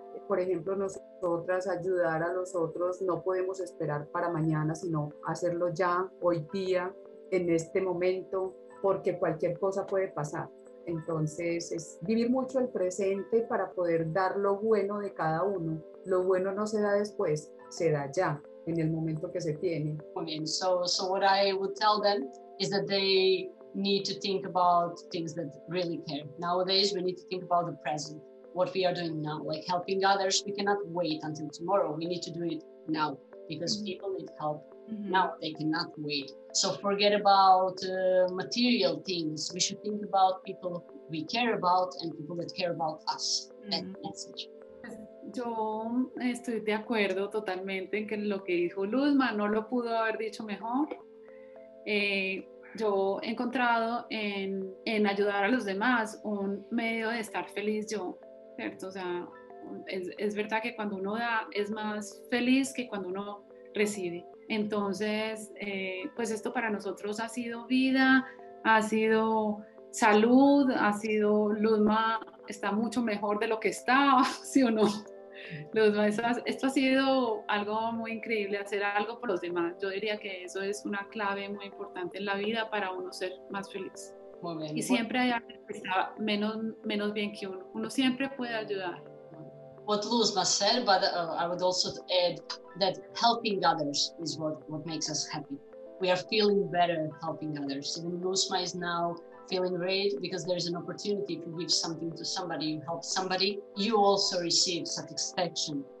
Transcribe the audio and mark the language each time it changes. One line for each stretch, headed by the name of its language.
Spanish: Por ejemplo, nosotras ayudar a los otros, no podemos esperar para mañana, sino hacerlo ya, hoy día, en este momento. porque cualquier cosa puede pasar. Entonces, es vivir mucho el presente para poder dar lo bueno de cada uno. Lo bueno no se da después, se da ya, en el momento que se tiene.
English: So what I would tell them is that they need to think about things that really care. Nowadays, we need to think about the present, what we are doing now, like helping others. We cannot wait until tomorrow. We need to do it now because people need help. Now they cannot wait. So forget about material things. We should think about people we care about and people that care about us. That message.
Spanish: Yo estoy de acuerdo totalmente en que lo que dijo Luzma no lo pudo haber dicho mejor. Yo he encontrado en ayudar a los demás un medio de estar feliz yo, ¿cierto? O sea, es verdad que cuando uno da es más feliz que cuando uno recibe. Entonces, pues esto para nosotros ha sido vida, ha sido salud, ha sido Luzma, está mucho mejor de lo que estaba, ¿sí o no? Luzma, esto ha sido algo muy increíble, hacer algo por los demás. Yo diría que eso es una clave muy importante en la vida para uno ser más feliz. Muy bien. Y siempre hay alguien que está menos bien que uno. Uno siempre puede ayudar.
English: What Luzma said, but I would also add that helping others is what makes us happy. We are feeling better helping others. Even Luzma is now feeling great because there is an opportunity to give something to somebody, you help somebody, you also receive satisfaction.